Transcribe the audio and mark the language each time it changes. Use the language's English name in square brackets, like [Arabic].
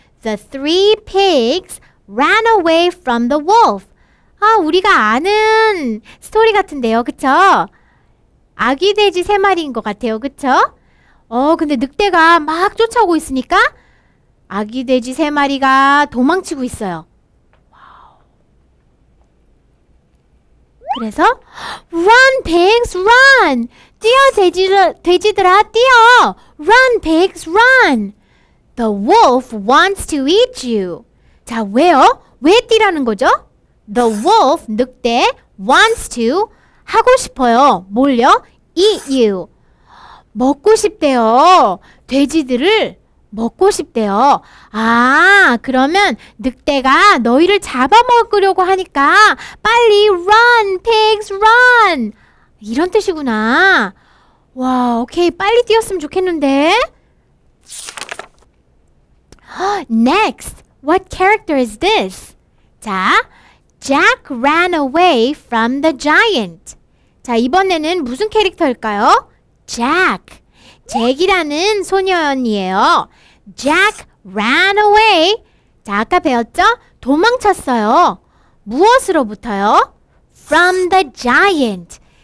[English] The three pigs ran away from the wolf. [Korean] 아, 우리가 아는 스토리 같은데요. 그쵸? 아기 돼지 세 마리인 것 같아요. 그쵸? 어, 근데 늑대가 막 쫓아오고 있으니까 아기 돼지 세 마리가 도망치고 있어요. 그래서 [English] Run, pigs, run! [Korean] 뛰어, 돼지들아, 뛰어! [English] Run, pigs, run! The wolf wants to eat you. [Korean] 자, 왜요? 왜 뛰라는 거죠? [English] The wolf, 늑대, wants to [Korean] 하고 싶어요. 뭘요? [English] Eat you. [Korean] 먹고 싶대요. 돼지들을 먹고 싶대요. 아, 그러면 늑대가 너희를 잡아먹으려고 하니까 빨리 [English] run, pigs, run! [Korean] 이런 뜻이구나. 와, 오케이. 빨리 뛰었으면 좋겠는데? [English] Next, what character is this? 자, Jack ran away from the giant. [Korean] 자, 이번에는 무슨 캐릭터일까요? [English] Jack. [Korean] Jack이라는 소년이에요. [English] Jack ran away. [Korean] 자, 아까 배웠죠? 도망쳤어요. 무엇으로부터요? [English] From the giant.